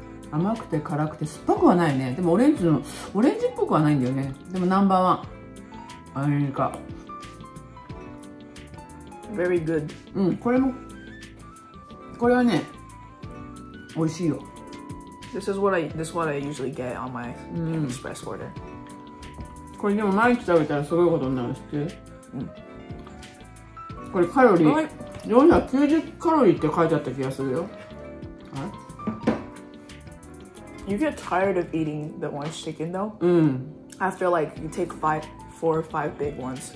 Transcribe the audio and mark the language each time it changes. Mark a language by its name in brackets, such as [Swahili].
[Japanese] 甘くて辛くて酸っぱくはないね。でもオレンジのオレンジっぽくはないんだよね。でもナンバーワンアメリカ。 [English] Very good。 [Japanese] うん、これもこれはね、美味しいよ。 [English] This is what I usually get on my express order。 [Japanese] これでも毎日食べたらすごいことになる、知ってる？うん。これカロリー490カロリーって書いてあった気がするよ。あれ？ [English] You get tired of eating the orange chicken though. [Japanese] うん。 [English] I feel like you take four or five big ones.